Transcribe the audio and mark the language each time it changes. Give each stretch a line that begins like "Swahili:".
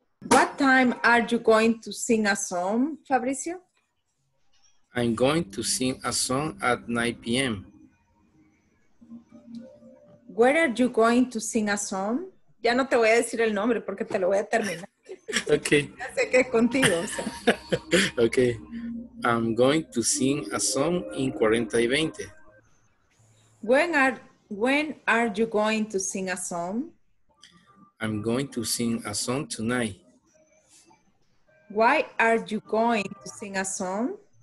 English: What time are you going to sing a song, Fabricio? I'm going to sing a song at 9 p.m. Where are you going to sing a song?
Spanish: Ya no te voy a decir el nombre porque te lo voy a terminar.
English: Okay.
Spanish: Ya sé que es contigo. O sea.
English: Okay. I'm going to sing a song in 40 y 20. When are you going to sing a song? I'm going to sing a song tonight. Why are you going to sing a song?